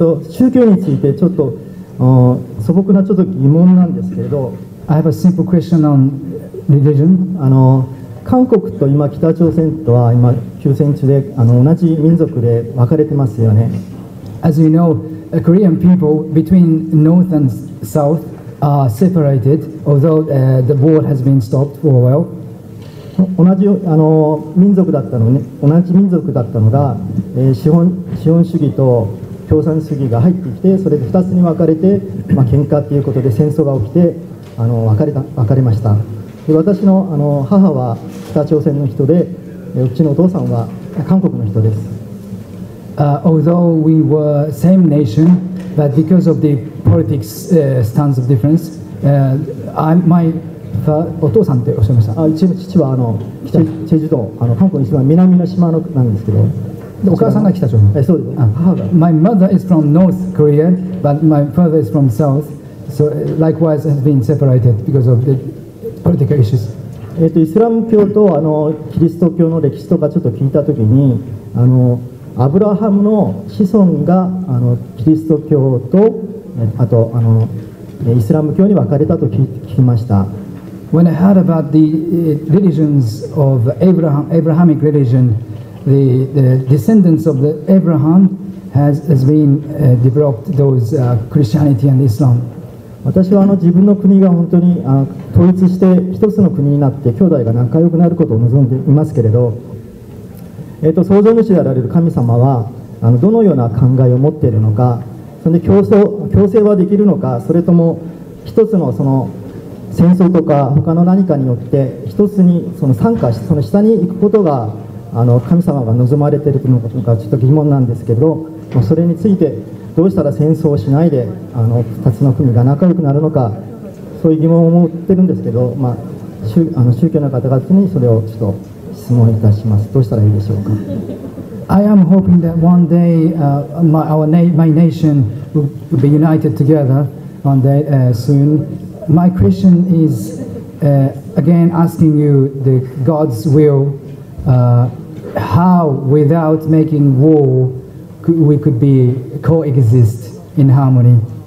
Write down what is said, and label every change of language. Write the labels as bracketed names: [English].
[Japanese] 宗教についてちょっと素朴なちょっと疑問なんですけれど。 [English] I have a simple question on religion. [Japanese] 韓国と今北朝鮮とは今休戦中で同じ民族で分かれてますよね。 [English] As you know, the Korean people between North and South are separated, although the war has been stopped for a while. [Japanese] 同じ民族だったのね、同じ民族だったのが、資本主義と共産主義が入ってきて、それで2つに分かれて、まあ、喧嘩ということで戦争が起きて分かれました。で私 の, 母は北朝鮮の人で、うちのお父さんは韓国の人です。 [English] Although we were same nation, but because of the politics stands of difference, my [Japanese] お父さんっておっしゃいました。うちの父は北チェジュ島、韓国の一番南の島のなんですけど。お母さんが北朝鮮。そうです。 [English] My mother is from North Korea, but my father is from South. So likewise has been separated because of the political issues. [Japanese] イスラム教とキリスト教の歴史とかちょっと聞いたときに、アブラハムの子孫がキリスト教とあとイスラム教に分かれたと聞きました。 [English] When I heard about the religions of Abrahamic religion, the descendants of the Abraham has been developed those Christianity and Islam. [Japanese] 私は自分の国が本当に統一して一つの国になって兄弟が仲良くなることを望んでいますけれど、創造主であられる神様はどのような考えを持っているのか、それで強制はできるのか、それとも一つのその戦争とか他の何かによって一つにその参加しその下に行くことが神様が望まれているのかちょっと疑問なんですけど、それについてどうしたら戦争をしないで2つの国が仲良くなるのか、そういう疑問を持ってるんですけど、まあ、宗教の方々にそれをちょっと質問いたします。どうしたらいいでしょうか。 [English] I am hoping that one day my nation will be united together one day soonMy question is again asking you the God's will. How, without making war, we could be coexist in harmony?